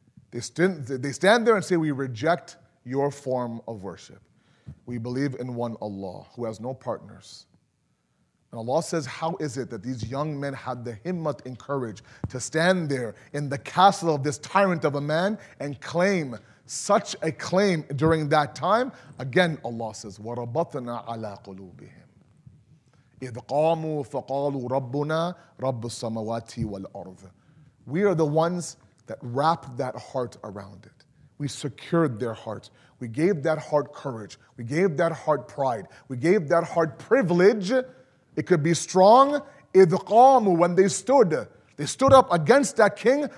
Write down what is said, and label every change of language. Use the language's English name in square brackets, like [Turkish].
[English] They stand there and say, we reject your form of worship. We believe in one Allah who has no partners. And Allah says, how is it that these young men had the himmat and courage to stand there in the castle of this tyrant of a man and claim such a claim during that time? Again, Allah says, [Arabic] وَرَبَطْنَا عَلَىٰ قُلُوبِهِمْ إِذْ قَامُوا فَقَالُوا رَبُّنَا رَبُّ السَّمَوَاتِ وَالْأَرْضِ. [English] We are the ones that wrapped that heart around it. We secured their heart. We gave that heart courage. We gave that heart pride. We gave that heart privilege. It could be strong. [Arabic] إِذْ قَامُوا, [English] when they stood. They stood up against that king.